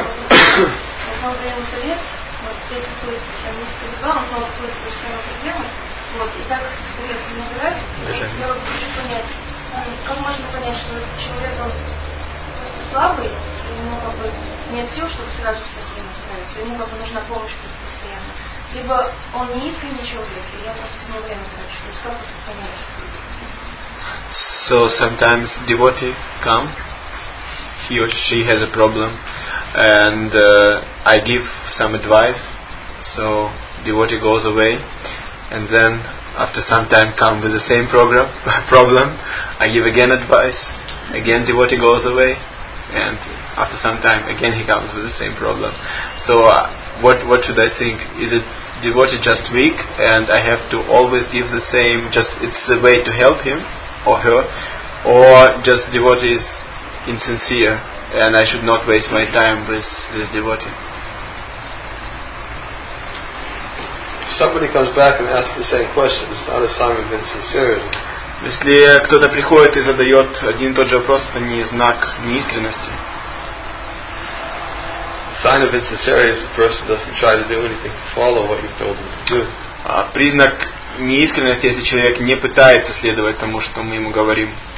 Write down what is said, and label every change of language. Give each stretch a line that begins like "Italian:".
Russian: Я снова даю ему совет, вот здесь какой-то месяц-два, он снова какой-то профессиональный проблем, вот, и так совет не набирает, я вот хочу понять, как можно понять, что этот человек, он просто слабый, и ему как бы нет сил, чтобы сразу с проблемой справиться, ему как бы нужна помощь постоянно. Либо он не искренний человек, и я просто с ним время трачу, то есть как это понять?
English: So sometimes devotee come, he or she has a problem, and I give some advice, so devotee goes away, and then after some time come with the same problem, I give again advice, again devotee goes away, and after some time again he comes with the same problem. So what should I think? Is it devotee just weak, and I have to always give the same, just it's a way to help him? Or her, or just devotee is insincere, and I should not waste my time with this devotee. If somebody comes back and asks the same question, it's not a sign of insincerity.
Russian: Если кто-то приходит и задает один и тот же вопрос, это не знак неискренности.
English: Sign of insincerity is the person doesn't try to do anything to follow what you've told them to do.
Russian: Признак неискренность, если человек не пытается следовать тому, что мы ему говорим.